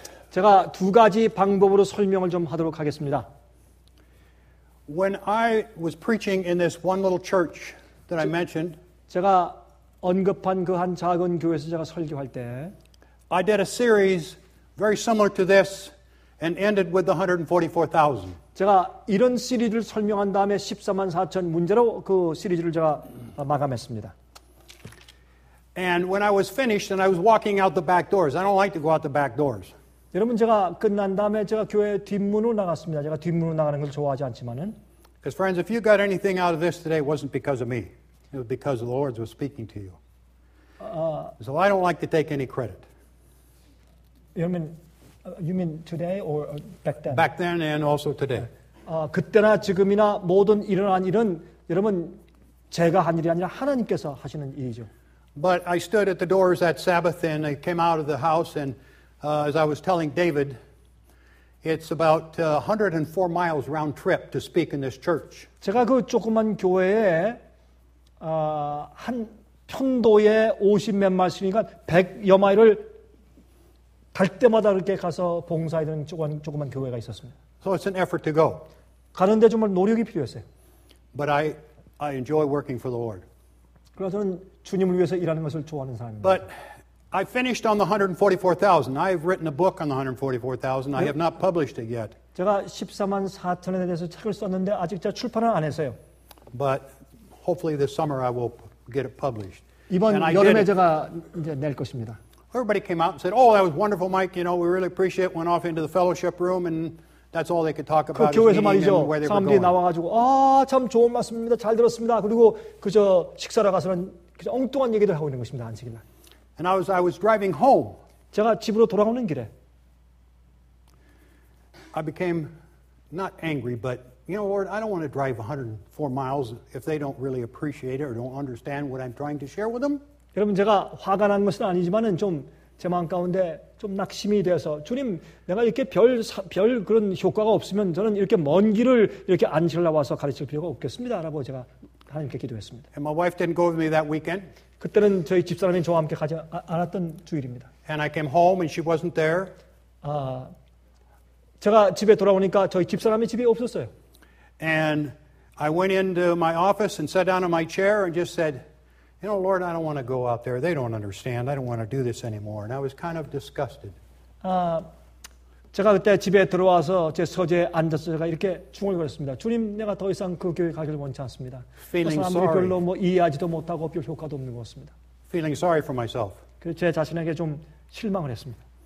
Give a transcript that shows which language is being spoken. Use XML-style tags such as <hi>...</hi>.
<ko>제가 두 가지 방법으로 설명을 좀 하도록 하겠습니다.</ko> <en>When I was preaching in this one little church that I mentioned,</en> <ko>제가 언급한 그 한 작은 교회에서 제가 설교할 때,</ko> <en>I did a series very similar to this and ended with the 144,000.</en> <ko>제가 이런 시리즈를 설명한 다음에 14만 4천 문제로 그 시리즈를 제가 마감했습니다.</ko> <en>And when I was finished and I was walking out the back doors, I don't like to go out the back doors.</en> <ko>여러분 제가 끝난 다음에 제가 교회 뒷문으로 나갔습니다. 제가 뒷문으로 나가는 걸 좋아하지 않지만은.</ko> <en>Because friends, if you got anything out of this today, it wasn't because of me. It was because the Lord was speaking to you. So I don't like to take any credit. You mean today or back then? Back then and also today.</en> <ko>그때나 지금이나 모든 일어난 일은 여러분 제가 한 일이 아니라 하나님께서 하시는 일이죠.</ko> <en>But I stood at the doors that Sabbath and I came out of the house and as I was telling David, it's about 104 miles round trip to speak in this church.</en> <ko>제가 그 조그만 교회에 한 편도에 50몇 마일이니까 100여 마일을 갈 때마다 이렇게 가서 봉사해야 되는 조그만 교회가 있었습니다.</ko> <en>So it's an effort to go.</en> <ko>가는데 정말 노력이 필요했어요.</ko> <en>But I enjoy working for the Lord.</en> <ko>그래서 저는 주님을 위해서 일하는 것을 좋아하는 사람입니다.</ko> <en>But I finished on the 144,000. I have written a book on the 144,000. I have not published it yet.</en> <ko>제가 14만 4천에 대해서 책을 썼는데 아직 제가 출판을 안 했어요.</ko> <en>But hopefully this summer I will get it published.</en> <ko>이번 and 여름에 제가 이제 낼 것입니다.</ko> <en>Everybody came out and said, "Oh, that was wonderful, Mike. You know, we really appreciate it." Went off into the fellowship room and that's all they could talk about.</en> <ko>그 교회에서 말이죠. 사람들이 나와가지고 아, 참 좋은 말씀입니다. 잘 들었습니다. 그리고 그저 식사를 가서는 그저 엉뚱한 얘기들 하고 있는 것입니다. 안식일날.</ko> <en>And I was driving home.</en> <ko>제가 집으로 돌아오는 길에</ko> <en>I became not angry, but you know, Lord, I don't want to drive 104 miles if they don't really appreciate it or don't understand what I'm trying to share with them.</en> <ko>여러분 제가 화가 난 것은 아니지만은 좀 제 마음 가운데 좀 낙심이 돼서 주님, 내가 이렇게 별 그런 효과가 없으면 저는 이렇게 먼 길을 이렇게 안식일 나와서 가르칠 필요가 없겠습니다라고 제가 하나님께 기도했습니다.</ko> <en>And my wife didn't go with me that weekend.</en> <ko>그때는 저희 집사람이 저와 함께 가지 않았던 주일입니다.</ko> <en>And I came home and she wasn't there.</en> <ko>제가 집에 돌아오니까 저희 집사람이 집에 없었어요.</ko> <en>And I went into my office and sat down in my chair and just said, "You know, Lord, I don't want to go out there. They don't understand. I don't want to do this anymore." And I was kind of disgusted.</en> <ko>제가 그때 집에 들어와서 제 서재에 앉아서 제가 이렇게 중얼거렸습니다. 주님, 내가 더 이상 그 교회 가기를 원치 않습니다. 그 사람들이 별로 뭐 이해하지도 못하고 별 효과도 없는 것 같습니다.</ko> <en>Feeling sorry for myself.</en> <ko>제 자신에게 좀 실망을 했습니다.</ko>